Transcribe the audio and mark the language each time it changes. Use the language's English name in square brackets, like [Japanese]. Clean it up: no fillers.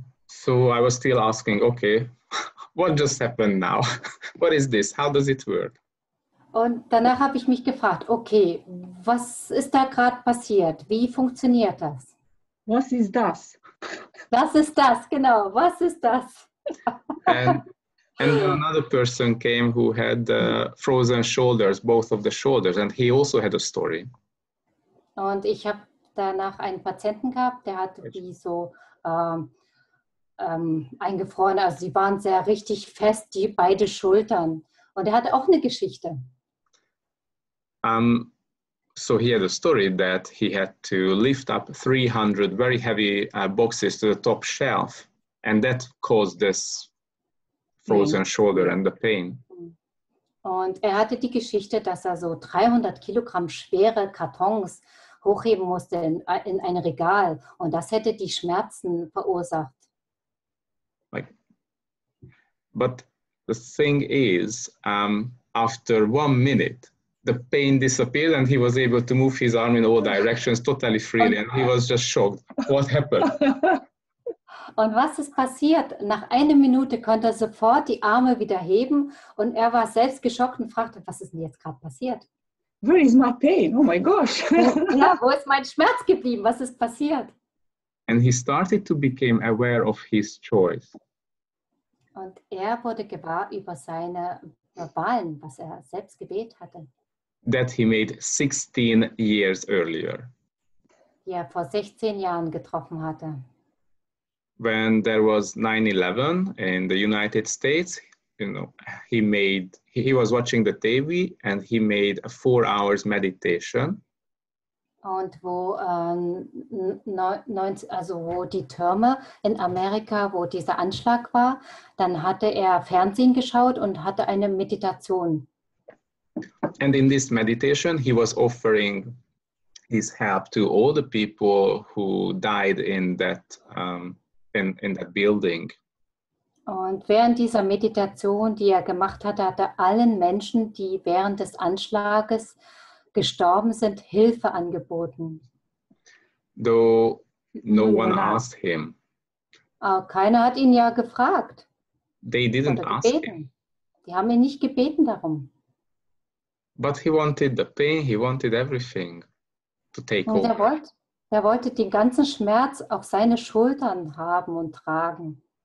[English] So I was still asking, okay, what just happened now? What is this? How does it work? [German] Und danach habe ich mich gefragt, okay, was ist da gerade passiert? Wie funktioniert das? Was ist das? Was ist das, genau. Was ist das? [English] And another person came who had frozen shoulders, both of the shoulders, and he also had a story. [German] Und ich habe danach einen Patienten gehabt, der hat wie so eingefroren, also sie waren sehr richtig fest, die beide Schultern. Und er hatte auch eine Geschichte. [English] So he had a story that he had to lift up 300 very heavy boxes to the top shelf, and that caused this frozen shoulder and the pain. [German] Und er hatte die Geschichte, dass er so 300 Kilogramm schwere Kartons hochheben musste in ein Regal und das hätte die Schmerzen verursacht. [English] But the thing is, after 1 minute, the pain disappeared and he was able to move his arm in all directions totally freely and he was just shocked. What happened? [German] Und was ist passiert? Nach einer Minute konnte er sofort die Arme wieder heben und er war selbst geschockt und fragte, was ist denn jetzt gerade passiert? [English] Where is my pain? Oh my gosh! [German] Ja, wo ist mein Schmerz geblieben? Was ist passiert? [English] And he started to become aware of his choice. [German] Und er wurde gewahr über seine Wahlen, was er selbst gewählt hatte. [English] That he made 16 years earlier. [German] Ja, vor 16 Jahren getroffen hatte. [English] When there was 9/11 in the United States, you know, he was watching the TV and he made a 4 hours meditation. [German] Und wo wo die Türme in Amerika, wo dieser Anschlag war, dann hatte er Fernsehen geschaut und hatte eine Meditation. [English] And in this meditation, he was offering his help to all the people who died in that. In that building. [German] Und während dieser Meditation, die er gemacht hatte, hat er allen Menschen, die während des Anschlages gestorben sind, Hilfe angeboten. [English] Though no one asked him. [German] Keiner hat ihn ja gefragt. [English] They didn't ask him. [German] Die haben ihn nicht gebeten darum. [English] But he wanted the pain, he wanted everything to take [German] und [English] over. [German] Er wollte den ganzen Schmerz auf seine Schultern haben und tragen.